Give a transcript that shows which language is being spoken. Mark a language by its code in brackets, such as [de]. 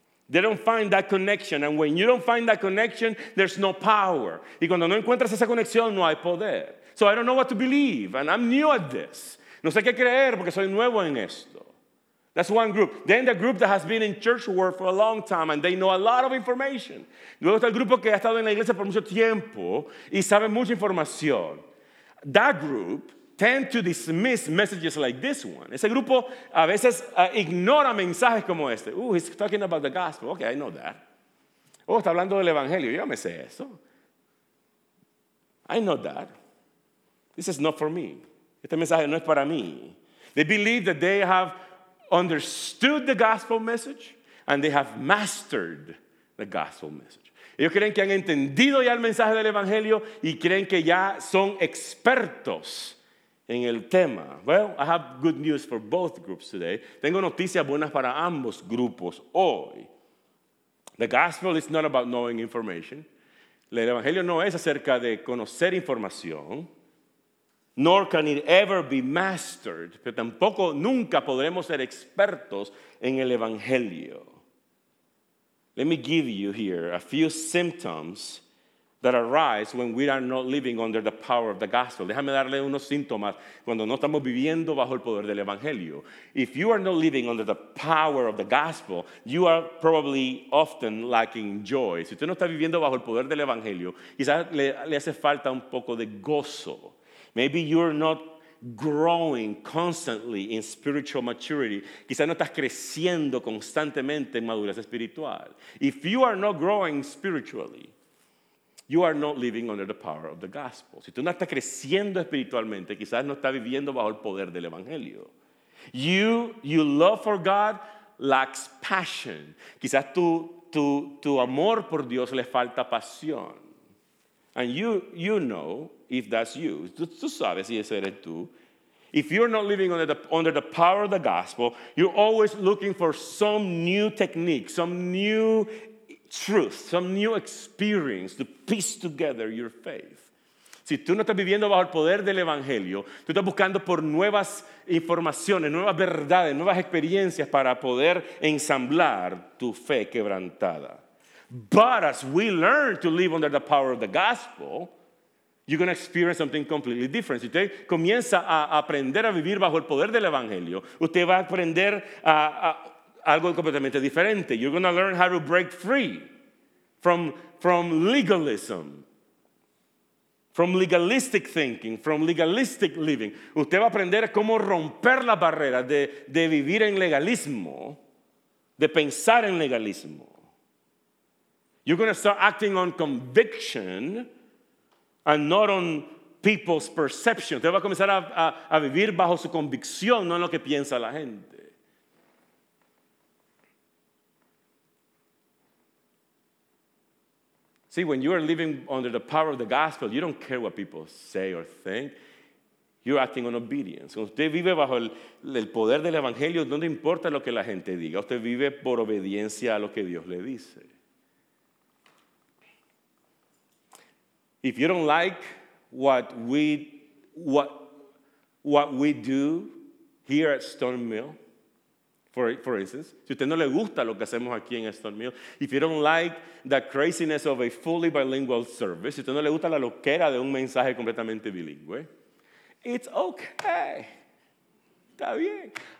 [en] They don't find that connection. And when you don't find that connection, there's no power. [es] Y cuando no encuentras esa conexión, no hay poder. [en] So I don't know what to believe. And I'm new at this. [es] No sé qué creer porque soy nuevo en esto. [en] That's one group. Then the group that has been in church world for a long time and they know a lot of information. [es] Luego está el grupo que ha estado en la iglesia por mucho tiempo y sabe mucha información. [en] That group tend to dismiss messages like this one. [es] Ese grupo a veces ignora mensajes como este. [en] Ooh, he's talking about the gospel. Okay, I know that. [es] Oh, está hablando del evangelio. Yo me sé eso. [en] I know that. This is not for me. [es] Este mensaje no es para mí. [en] They believe that they have understood the gospel message and they have mastered the gospel message. [es] Ellos creen que han entendido ya el mensaje del evangelio y creen que ya son expertos en el tema. [en] Well, I have good news for both groups today. [es] Tengo noticias buenas para ambos grupos hoy. [en] The gospel is not about knowing information. [es] El evangelio no es acerca de conocer información. [en] Nor can it ever be mastered. [es] Pero tampoco nunca podremos ser expertos en el evangelio. [en] Let me give you here a few symptoms that arise when we are not living under the power of the gospel. [es] Déjame darle unos síntomas cuando no estamos viviendo bajo el poder del evangelio. [en] If you are not living under the power of the gospel, you are probably often lacking joy. [es] Si usted no está viviendo bajo el poder del evangelio, quizás le hace falta un poco de gozo. [en] Maybe you're not growing constantly in spiritual maturity. [es] Quizás no estás creciendo constantemente en madurez espiritual. [en] If you are not growing spiritually, you are not living under the power of the gospel. [es] Si tú no estás creciendo espiritualmente, quizás no estás viviendo bajo el poder del evangelio. [en] You love for God lacks passion. [es] Quizás tu amor por Dios le falta pasión. [en] And you know if that's you. [es] Tú sabes si ese eres tú. [en] If you're not living under the power of the gospel, you're always looking for some new technique, some new truth, some new experience to piece together your faith. [es] Si tú no estás viviendo bajo el poder del evangelio, tú estás buscando por nuevas informaciones, nuevas verdades, nuevas experiencias para poder ensamblar tu fe quebrantada. [en] But as we learn to live under the power of the gospel, you're going to experience something completely different. [es] Si usted comienza a aprender a vivir bajo el poder del evangelio, usted va a aprender a algo completamente diferente. [en] You're going to learn how to break free from legalism, from legalistic thinking, from legalistic living. [es] Usted va a aprender cómo romper las barreras de vivir en legalismo, de pensar en legalismo. [en] You're going to start acting on conviction and not on people's perception. [es] Usted va a comenzar a vivir bajo su convicción, no en lo que piensa la gente. [en] See, when you are living under the power of the gospel, you don't care what people say or think. You're acting on obedience. [es] Cuando usted vive bajo el poder del evangelio, no importa lo que la gente diga. Usted vive por obediencia a lo que Dios le dice. [en] If you don't like what we do here at Stone Mill, For instance, [es] si usted no le gusta lo que hacemos aquí en Stone Mill, [en] if you don't like the craziness of a fully bilingual service, [es] si usted no le gusta la loquera de un mensaje completamente bilingüe, [en] it's okay. [es] Está bien.